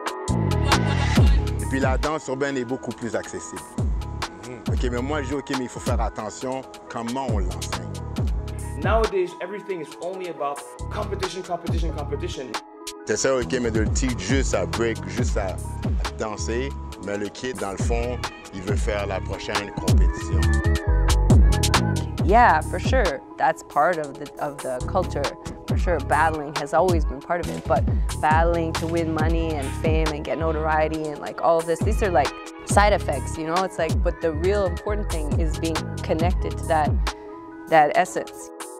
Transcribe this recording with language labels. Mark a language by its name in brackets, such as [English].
[French] Et puis la danse urbaine est beaucoup plus accessible. OK, mais moi, je dis, OK, mais il faut faire attention comment on l'enseigne. [English] Nowadays, everything is only about competition, competition, competition. [French] C'est ça, OK, mais de le teach juste à break, juste à danser, mais le kid, dans le fond, il veut faire la prochaine compétition. [English] Yeah, for sure, that's part of the culture. For sure, battling has always been part of it, but battling to win money and fame and get notoriety and like all of this, these are like side effects, you know? It's like, but the real important thing is being connected to that essence.